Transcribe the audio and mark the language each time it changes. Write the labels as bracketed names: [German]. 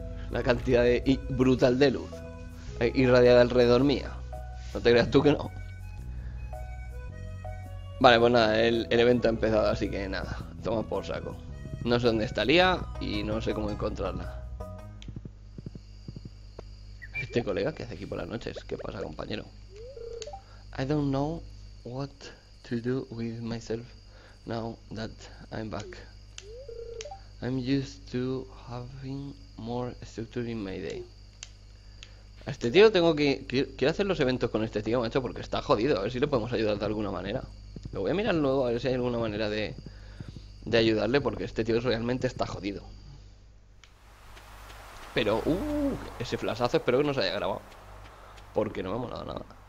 [Spanish] La cantidad brutal de luz irradiada alrededor mía. No te creas tú que no. Vale, pues nada, el evento ha empezado, así que nada, toma por saco. No sé dónde está Lía y no sé cómo encontrarla. Este colega que hace aquí por las noches, ¿qué pasa, compañero? [English] I don't know what to do with myself now that I'm back. I'm used to having more structure in my day. [Spanish] A este tío tengo que... Quiero hacer los eventos con este tío, macho, porque está jodido. A ver si le podemos ayudar de alguna manera. Lo voy a mirar luego, a ver si hay alguna manera de ayudarle, porque este tío realmente está jodido. Pero, ese flashazo espero que no se haya grabado, porque no me ha molado nada.